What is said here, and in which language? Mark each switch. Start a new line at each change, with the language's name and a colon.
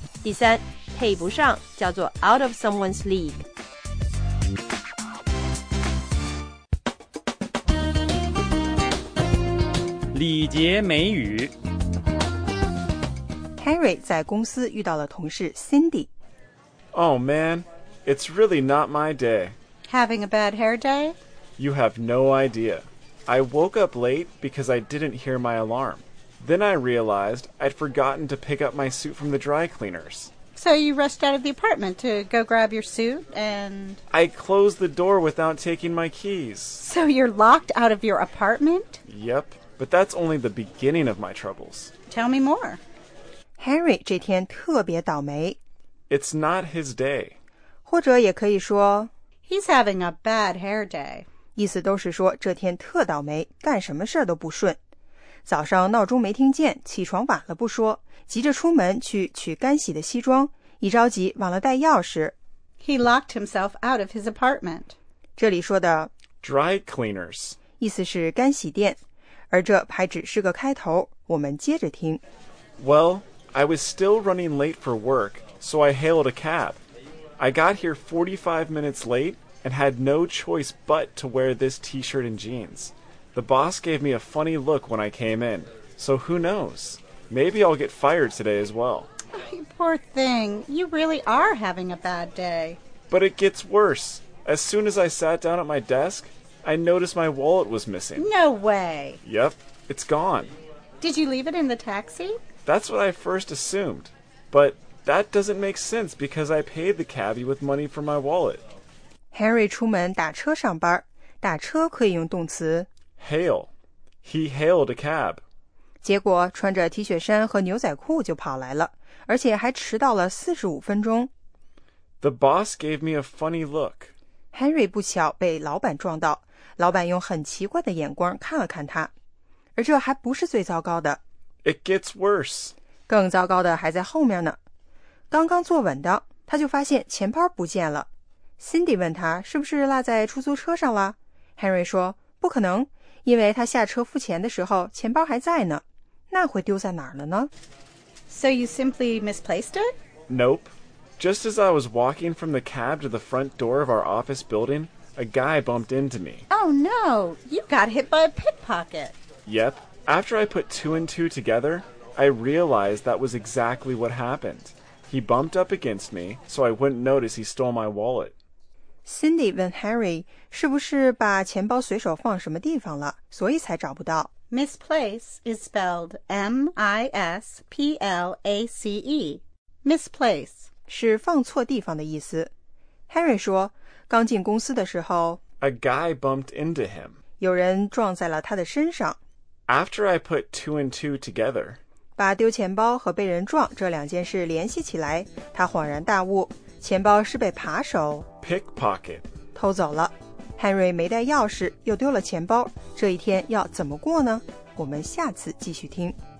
Chinese: 第三，配不上叫做
English: out of someone's league.
Chinese: 礼节美语。 Henry 在公司遇到了同事 Cindy。
English: Oh man, it's really not my day. Having a bad hair day? You have no idea. I woke up late because I didn't hear my alarm. Then I realized I'd forgotten to pick up my suit from the dry cleaners. So you rushed out of the apartment to go grab your suit and... I closed the door without taking my keys. So you're locked out of your apartment? Yep. But that's only the beginning of my troubles. Tell me more.
Chinese: Henry 这天特别倒霉。
English: It's not his day.
Chinese: 或者也可以说
English: He's having a bad hair day.
Chinese: 意思都是说这天特倒霉，干什么事都不顺。早上闹钟没听见，起床晚了不说，急着出门去取干洗的西装，一着急忘了带钥匙。
English: He locked himself out of his apartment.
Chinese: 这里说的
English: dry cleaners.
Chinese: 意思是干洗店。而这还只是个开头，我们接着听。
English: Well, I was still running late for work, so I hailed a cab. I got here 45 minutes late and had no choice but to wear this t-shirt and jeans. The boss gave me a funny look when I came in, so who knows? Maybe I'll get fired today as well. Oh, poor thing, you really are having a bad day. But it gets worse. As soon as I sat down at my desk... I noticed my wallet was missing. No way. Yep, it's gone. Did you leave it in the taxi? That's what I first assumed. But that doesn't make sense because I paid the cabbie with money for my wallet.
Chinese: Henry 出门打车上班。打车可以用动词
English: Hail. He hailed a cab.
Chinese: 结果穿着 T 恤衫和牛仔裤就跑来了，而且还迟到了45分钟。
English: The boss gave me a funny look.
Chinese: Henry 不巧被老板撞到，老板用很奇怪的眼光看了看他。而这还不是最糟糕的。
English: It gets worse.
Chinese: 更糟糕的还在后面呢。刚刚坐稳的，他就发现钱包不见了。Cindy 问他是不是落在出租车上了。 Henry 说，不可能，因为他下车付钱的时候钱包还在呢。那会丢在哪儿了呢？
English: So you simply misplaced it? Nope. Just as I was walking from the cab to the front door of our office building, a guy bumped into me. Oh no, you got hit by a pickpocket. Yep. After I put two and two together, I realized that was exactly what happened. He bumped up against me, so I wouldn't notice he stole my wallet.
Chinese: Cindy 问 Harry, 是不是把钱包随手放什么地方了，所以才找不到。
English: Misplace is spelled M-I-S-P-L-A-C-E. Misplace
Chinese: 是放错地方的意思。 Harry 说，刚进公司的时候
English: ，A guy bumped into him.
Chinese: 有人撞在了他的身上。
English: After I put two and two together,
Chinese: 把丢钱包和被人撞这两件事联系起来，他恍然大悟，钱包是被扒手
English: pickpocket
Chinese: 偷走了。 Henry 没带钥匙，又丢了钱包，这一天要怎么过呢？我们下次继续听。